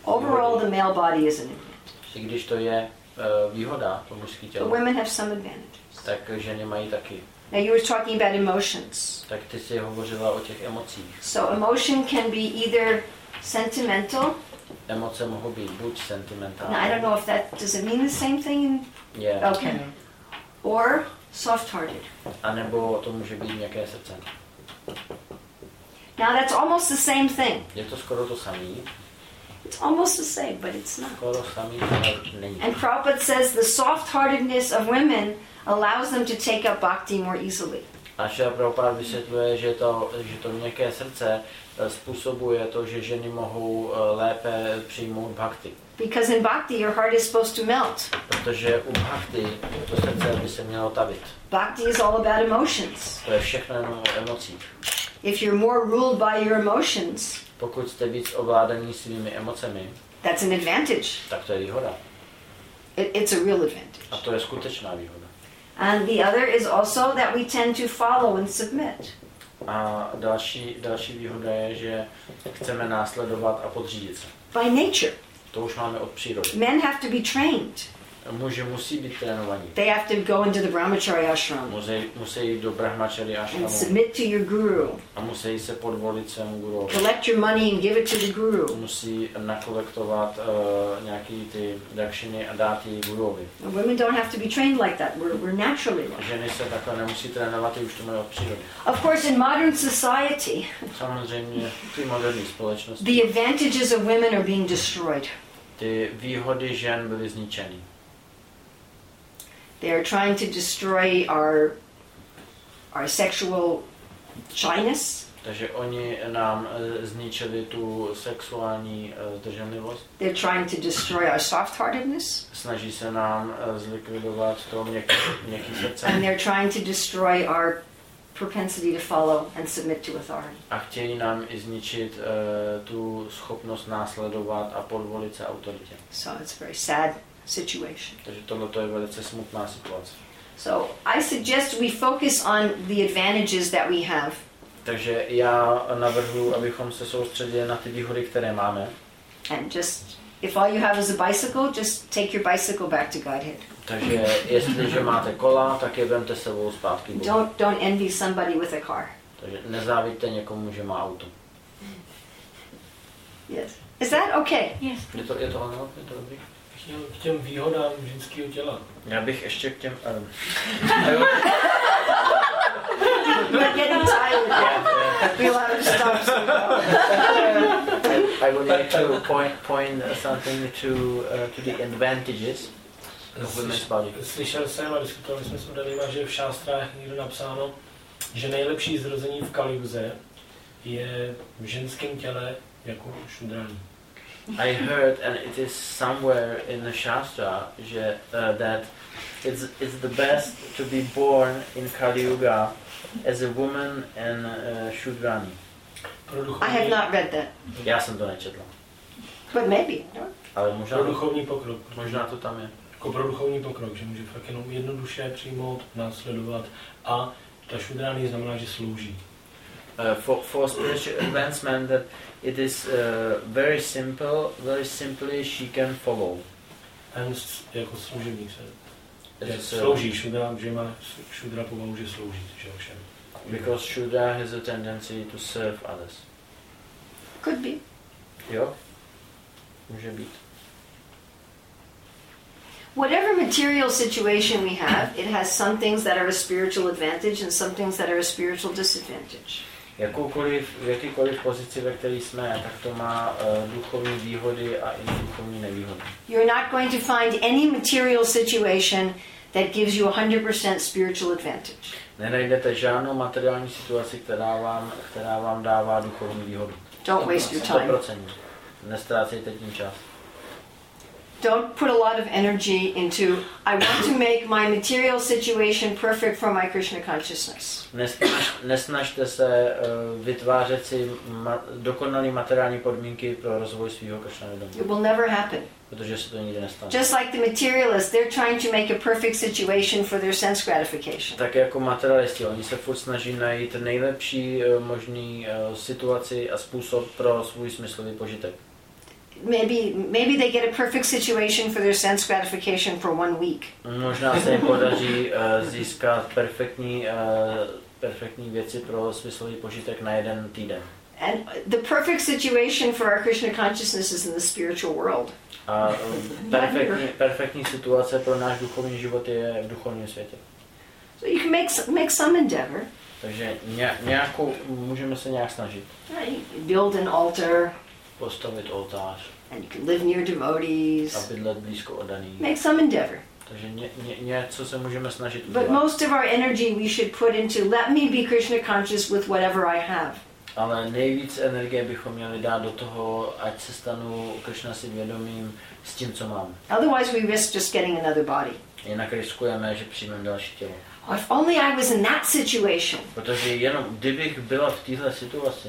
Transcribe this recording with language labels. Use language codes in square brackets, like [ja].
[en] Overall the male body is an advantage. [cs] I když to je výhoda to mužské tělo. [en] But women have some advantages. [cs] Tak ženy mají taky. [en] Now you were talking about emotions. [cs] Tak ty jsi hovořila o těch emocích. [en] So emotion can be either sentimental. [cs] Emoce mohou být buď sentimentální. [en] Now I don't know if that does it mean the same thing. Yeah. Okay. Mm-hmm. Or soft-hearted. [cs] A nebo to může být nějaké srdce. [en] Now that's almost the same thing. [cs] Je to skoro to samé. [en] It's almost the same, but it's not. [cs] Skoro samé, ale není. [en] And Prabhupada says the soft-heartedness of women allows them to take up bhakti more easily. [cs] A Šila Prabhupáda vysvětluje, že to měkké srdce způsobuje to, že ženy mohou lépe přijmout bhakti. [en] Because in bhakti your heart is supposed to melt. [cs] Protože u bhakti to srdce by se mělo tavit. [en] Bhakti is all about emotions. [cs] To je všechno jenom o emocích. [en] If you're more ruled by your emotions. [cs] Pokud jste víc ovládaný svými emocemi. [en] That's an advantage. [cs] Tak to je výhoda. [en] It's a real advantage. [cs] A to je skutečná výhoda. [en] And the other is also that we tend to follow and submit. [cs] A další výhoda je, že chceme následovat a podřídit se. [en] By nature. [cs] To už máme od přírody. [en] Men have to be trained. [cs] Muži musí být trénovaní. [en] They have to go into the brahmachari ashram. [cs] Musí jít do brahmachari ashramu. [en] And submit to your guru. [cs] A musí se podvolit svému guru. [en] Collect your money and give it to the guru. [cs] Musí nakolektovat nějaký ty dakšiny a dát je guruovi. [en] Women don't have to be trained like that. We're naturally. [cs] Ženy se takhle nemusí trénovat, už to mají od přírody. [en] Of course, in modern society. [cs] Samozřejmě v té moderní společnosti. [en] The advantages of women are being destroyed. [cs] Ty výhody žen byly zničeny. [en] They are trying to destroy our sexual shyness. [cs] Takže oni nám zničili tu sexuální zdrženlivost. [en] They're trying to destroy our soft-heartedness. [cs] Snaží se nám zlikvidovat to měkký srdce. [en] And they're trying to destroy our propensity to follow and submit to authority. [cs] A chtějí nám i zničit tu schopnost následovat a podvolit se autoritě. [en] So it's very sad. Situation. [cs] Takže tohle to je velice smutná situace. [en] So I suggest we focus on the advantages that we have. [cs] Takže já navrhuji, abychom se soustředili na ty výhody, které máme. [en] And just if all you have is a bicycle, just take your bicycle back to Godhead. [cs] Takže jestliže máte kola, tak je vemte sebou zpátky. [en] Don't envy somebody with a car. [cs] Takže nezávidíte někomu, že má auto. [en] Yes. Is that okay? Yes. [cs] Je to dobrý? K těm výhodám ženského těla. Já bych ještě k těm... [en] not getting tired yet. We love to stop. I would like to point something to the advantages. [cs] Slyšel jsem a diskutovali jsme s Udalýma, že v šástrách někdo napsáno, že nejlepší zrození v Kaliuze je v ženském těle jako šudrání. [en] I heard and it is somewhere in the Shastra [cs] že, [en] that it's the best to be born in Kaliuga as a woman and Shudrani. I have not read that. [cs] Já jsem to nečetl. [en] But maybe. No? [cs] Ale možná pro duchovní pokrok. Možná to tam je. Jako pro duchovní pokrok, že může fakt jenom jednoduše přijmout, následovat a ta šudrání znamená, že slouží. [en] For spiritual advancement, that it is very simple, very simply she can follow. [cs] And jako služebník se slouží, šudra, že má šudra povahu, že slouží, že ovšem. [en] Because šudra has a tendency to serve others. Could be. [cs] Jo, může být. [en] Whatever material situation we have, it has some things that are a spiritual advantage and some things that are a spiritual disadvantage. [cs] Jakýkoliv pozici, ve které jsme, tak to má duchovní výhody a i duchovní nevýhody. [en] You're not going to find any material situation that gives you 100% spiritual advantage. [cs] Nenajdete žádnou materiální situaci, která vám dává duchovní výhodu. [en] Don't waste your time. [cs] 100%. Nestrácejte tím čas. [en] Don't put a lot of energy into I want to make my material situation perfect for my Krishna consciousness. [cs] Nesnažte se vytvářet si dokonalé materiální podmínky pro rozvoj svého Krishna vědomí. [en] It will never happen. [cs] Protože se to nikdy nestane. [en] Just like the materialists, they're trying to make a perfect situation for their sense gratification. [cs] Tak jako materialisti, oni se furt snaží najít nejlepší možný situaci a způsob pro svůj smyslový požitek. [en] Maybe they get a perfect situation for their sense gratification for 1 week. [cs] Možná se jim podaří získat perfektní věci pro smyslový požitek na jeden týden. [en] And the perfect situation for our Krishna consciousness is in the spiritual world. [cs] A perfektní situace pro náš duchovní život je v duchovním světě. [en] So you can make some endeavor. [cs] Takže nějakou můžeme se nějak snažit. [en] Yeah, build an altar. [cs] Postavit oltář. [en] And you can live near devotees. [cs] A bydlet blízko oddaných. [en] Make some endeavor. [cs] Takže něco se můžeme snažit udělat. [en] But most of our energy we should put into let me be Krishna conscious with whatever I have. [cs] Ale nejvíc energie bychom měli dát do toho, ať se stanu Krishna si vědomým s tím, co mám. [en] Otherwise we risk just getting another body. [cs] Jinak riskujeme, že přijmeme další tělo. [en] If only I was in that situation. [cs] Protože jenom kdybych byla v téhle situaci.